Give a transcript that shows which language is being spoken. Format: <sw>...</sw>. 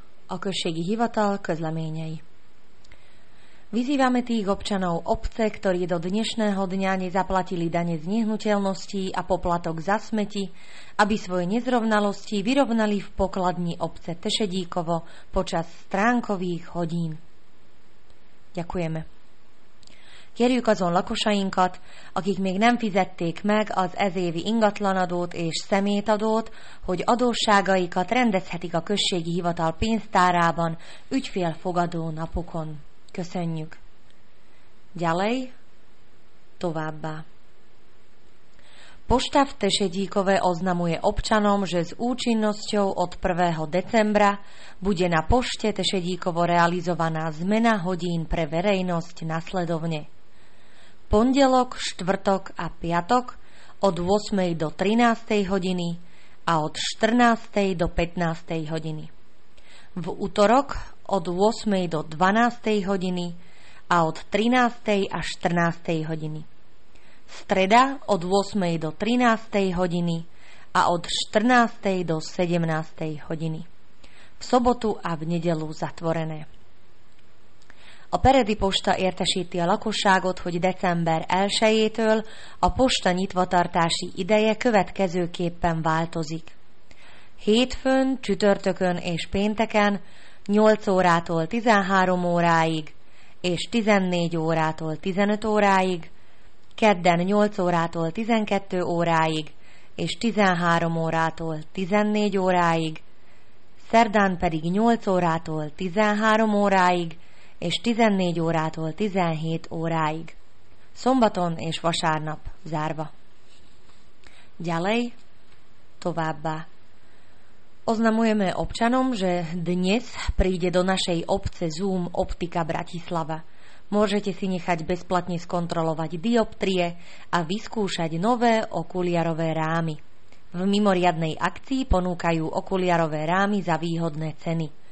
<hu>Okršiegi hivatal Közleményei.</hu> <sk>Vyzývame tých občanov obce, ktorí do dnešného dňa nezaplatili dane z nehnuteľností a poplatok za smeti, aby svoje nezrovnalosti vyrovnali v pokladni obce Tešedíkovo počas stránkových hodín. Ďakujeme.</sk> <hu>Kérjük azon lakosainkat, akik még nem fizették meg az ezévi ingatlanadót és szemétadót, hogy adósságaikat rendezhetik a községi hivatal pénztárában ügyfélfogadó napokon. Köszönjük.</hu> <sk>Ďalej,</sk> <hu>továbbá.</hu> <sk>Pošta v Tešedíkove oznamuje občanom, že s účinnosťou od 1. decembra bude na pošte Tešedíkovo realizovaná zmena hodín pre verejnosť nasledovne. Pondelok, štvrtok a piatok od 8. do 13. hodiny a od 14. do 15. hodiny. V utorok od 8. do 12. hodiny a od 13. a 14. hodiny. Streda od 8. do 13. hodiny a od 14. do 17. hodiny. V sobotu a v nedeľu zatvorené.</sk> <hu>A Peredi Posta értesíti a lakosságot, hogy december 1-től a posta nyitvatartási ideje következőképpen változik. Hétfőn, csütörtökön és pénteken 8 órától 13 óráig és 14 órától 15 óráig, kedden 8 órától 12 óráig és 13 órától 14 óráig, szerdán pedig 8 órától 13 óráig és 14 órától 17 óráig. Szombaton és vasárnap zárva.</hu> <sk>Ďalej,</sk> <hu>továbbá.</hu> <sk>Oznamujeme občanom, že dnes príde do našej obce Zoom Optika Bratislava. Môžete si nechať bezplatne skontrolovať dioptrie a vyskúšať nové okuliarové rámy. V mimoriadnej akcii ponúkajú okuliarové rámy za výhodné ceny.</sk>